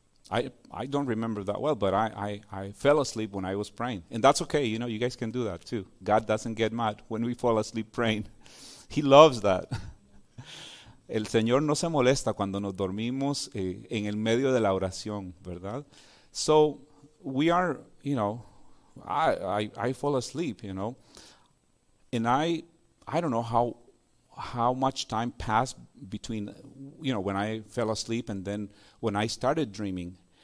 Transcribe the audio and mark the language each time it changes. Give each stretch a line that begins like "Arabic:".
English: I don't remember that well, but I fell asleep when I was praying. And that's okay. You know, you guys can do that too. God doesn't get mad when we fall asleep praying. He loves that.
Spanish: El Señor no se molesta cuando nos dormimos en el medio de la oración, ¿verdad?
English: So we are, I fall asleep, and I don't know how much time passed between, when I fell asleep and then when I started dreaming.